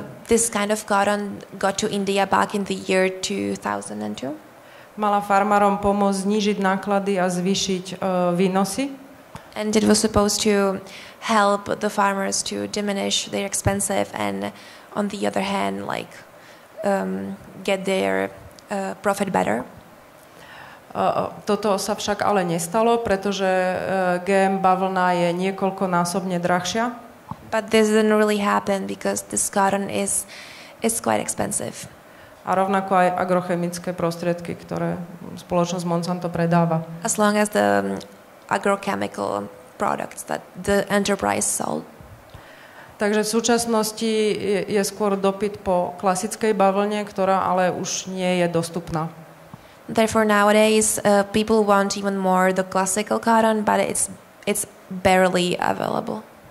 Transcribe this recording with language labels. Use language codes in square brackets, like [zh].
[en] This kind of cotton got to India back in the year 2002. [sk] Mala farmárom pomôcť znížiť náklady a zvýšiť výnosy. [en] And it was supposed to help the farmers to diminish their expenses and on the other hand like get their profit better. [sk] Toto sa však ale nestalo, pretože GM bavlna je niekoľkonásobne drahšia. [en] But this didn't really happen because this cotton is quite expensive. [sk] A rovnako aj agrochemické prostriedky, ktoré spoločnosť Monsanto predáva. [en] As long as the agrochemical products that the enterprise sold. [sk] Takže v súčasnosti je skôr dopyt po klasickej bavlne, ktorá ale už nie je dostupná. [en] Therefore nowadays people want even more the classical cotton but it's barely available.